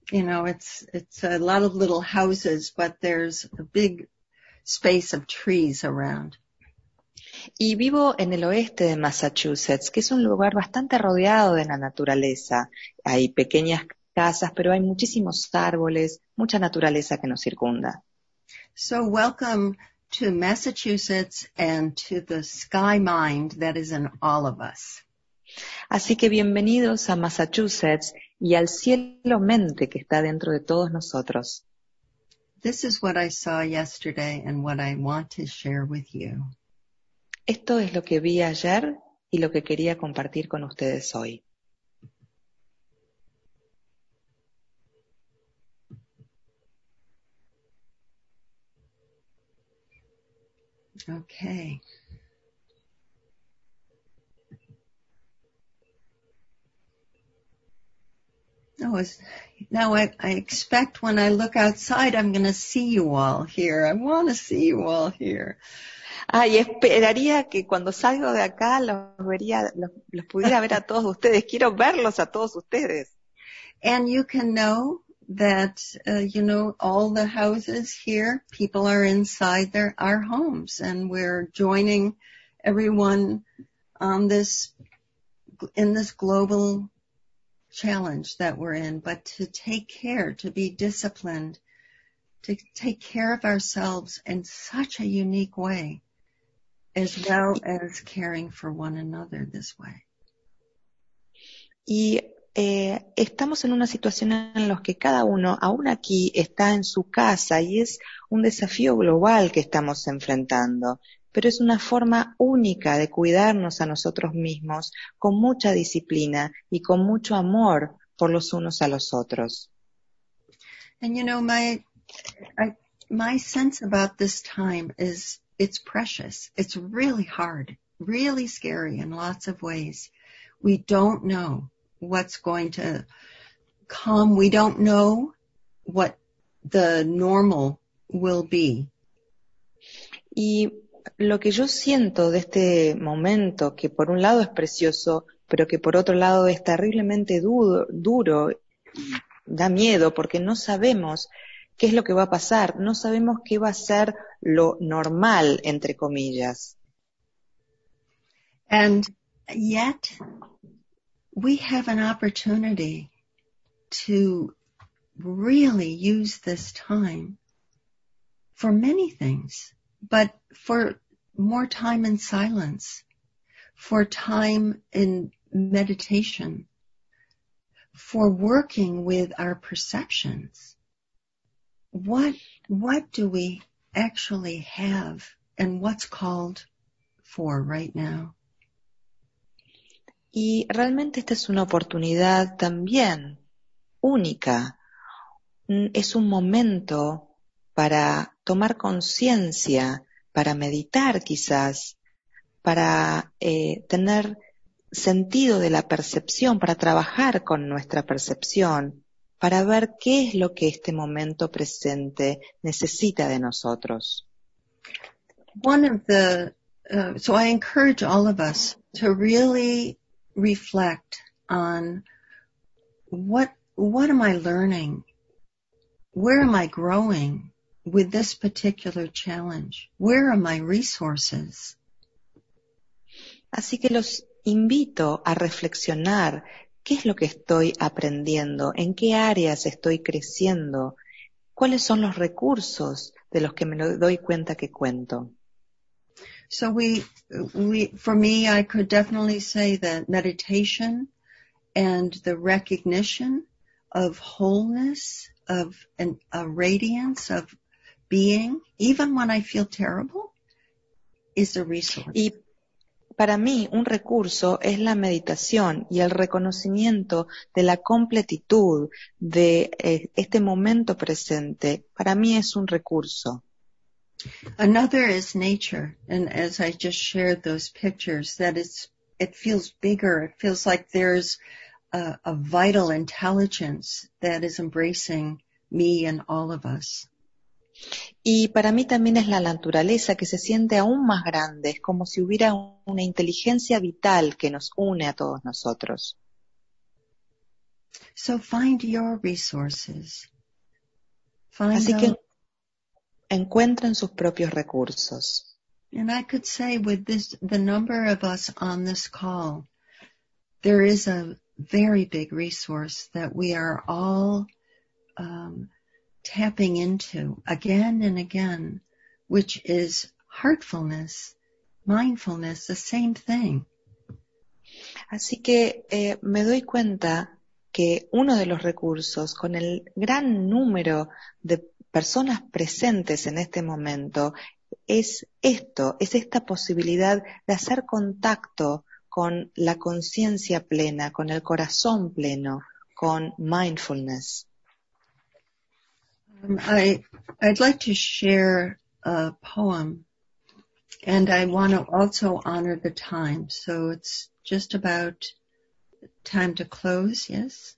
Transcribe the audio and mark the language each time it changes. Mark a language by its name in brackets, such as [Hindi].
[English] You know, it's a lot of little houses, but there's a big space of trees around. [Spanish] Y vivo en el oeste de Massachusetts, que es un lugar bastante rodeado de la naturaleza. Hay pequeñas casas, pero hay muchísimos árboles, mucha naturaleza que nos circunda. [English] So welcome to Massachusetts and to the sky mind that is in all of us. [Spanish] Así que bienvenidos a Massachusetts y al cielo mente que está dentro de todos nosotros. [English] This is what I saw yesterday and what I want to share with you. [Spanish] Esto es lo que vi ayer y lo que quería compartir con ustedes hoy. [English] Okay. I expect when I look outside, I'm going to see you all here. I want to see you all here. [Spanish] Ah, y esperaría que cuando salgo de acá los pudiera ver a todos ustedes. Quiero verlos a todos ustedes. [English] And you can know that, you know, all the houses here, people are inside our homes, and we're joining everyone in this global challenge that we're in, but to take care, to be disciplined, to take care of ourselves in such a unique way, as well as caring for one another this way. [Spanish] Estamos en una situación en la que cada uno, aún aquí, está en su casa y es un desafío global que estamos enfrentando. Pero es una forma única de cuidarnos a nosotros mismos con mucha disciplina y con mucho amor por los unos a los otros. [English] And you know, my sense about this time is it's precious. It's really hard. really scary in lots of ways. We don't know what's going to come. We don't know what the normal will be. [Spanish] Y lo que yo siento de este momento, que por un lado es precioso, pero que por otro lado es terriblemente duro, da miedo porque no sabemos qué es lo que va a pasar, no sabemos qué va a ser lo normal, entre comillas. [English] And yet we have an opportunity to really use this time for many things, but for more time in silence, for time in meditation, for working with our perceptions. What do we actually have and what's called for right now? [Spanish] Y realmente esta es una oportunidad también única. Es un momento para tomar conciencia, para meditar quizás, para tener sentido de la percepción, para trabajar con nuestra percepción, para ver qué es lo que este momento presente necesita de nosotros. [English] One of the, so I encourage all of us to really reflect on what am I learning? Where am I growing with this particular challenge? Where are my resources? [Spanish] Así que los invito a reflexionar qué es lo que estoy aprendiendo, en qué áreas estoy creciendo, cuáles son los recursos de los que me doy cuenta que cuento. [English] So we for me, I could definitely say that meditation and the recognition of wholeness, of a radiance of being, even when I feel terrible, is a resource. [Spanish] Y para mí, un recurso es la meditación y el reconocimiento de la completitud de este momento presente. Para mí es un recurso. [English] Another is nature. And as I just shared those pictures, that it feels bigger. It feels like there's a vital intelligence that is embracing me and all of us. [Spanish] Y para mí también es la naturaleza que se siente aún más grande. Es como si hubiera una inteligencia vital que nos une a todos nosotros. [English] So find your resources. [Spanish] Así que encuentren sus propios recursos. [English] And I could say with this, the number of us on this call, there is a very big resource that we are all tapping into again and again, which is heartfulness, mindfulness, the same thing. [Spanish] Así que me doy cuenta que uno de los recursos con el gran número de personas presentes en este momento es esto, es esta posibilidad de hacer contacto con la conciencia plena, con el corazón pleno, con mindfulness. [English] I'd like to share a poem, and I want to also honor the time, so it's just about time to close, yes?